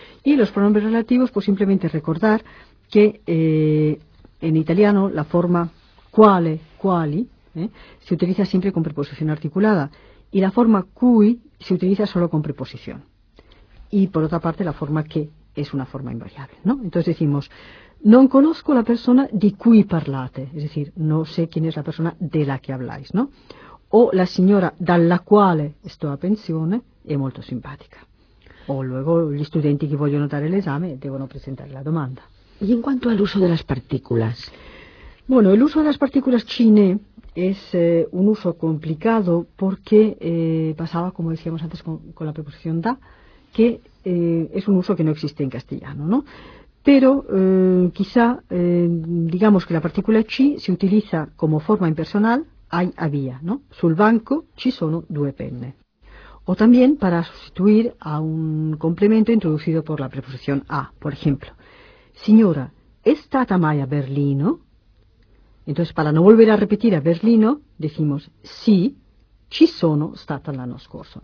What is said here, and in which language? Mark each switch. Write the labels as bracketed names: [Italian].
[Spanish] Y los pronombres relativos, pues simplemente recordar que en italiano la forma quale, quali, se utiliza siempre con preposición articulada, y la forma cui se utiliza solo con preposición. Y por otra parte, la forma que es una forma invariable, ¿no? Entonces decimos, [Italian] Non conosco la persona di cui parlate, [Spanish] es decir, no sé quién es la persona de la que habláis, ¿no? [Italian] O la signora dalla quale sto a pensione è molto simpatica. [Spanish] O luego [Italian] gli studenti che vogliono dare l'esame devono presentare la domanda. [Spanish] ¿Y en cuanto al uso de las partículas? Bueno, el uso de las partículas chine es un uso complicado porque pasaba, como decíamos antes, con la preposición da, que es un uso que no existe en castellano, ¿no? Pero quizá digamos que la partícula ci se utiliza como forma impersonal, hay, había, ¿no? [Italian] Sul banco ci sono due penne. [Spanish] O también para sustituir a un complemento introducido por la preposición a, por ejemplo. [Italian] Signora, ¿è stata mai a Berlino? [Spanish] Entonces, para no volver a repetir a Berlino, decimos sí, [Italian] ci sono stata l'anno scorso.